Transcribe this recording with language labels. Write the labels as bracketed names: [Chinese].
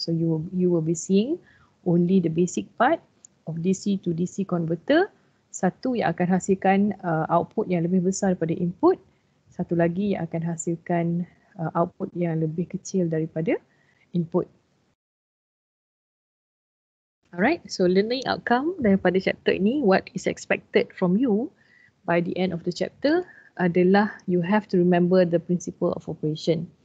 [English] So you will be seeing only the basic part of DC to DC converter. [Malay] Satu yang akan hasilkan output yang lebih besar daripada input, satu lagi yang akan hasilkan output yang lebih kecil daripada input. [English] Alright, so learning outcome daripada chapter ini, what is expected from you by the end of the chapter adalah you have to remember the principle of operation.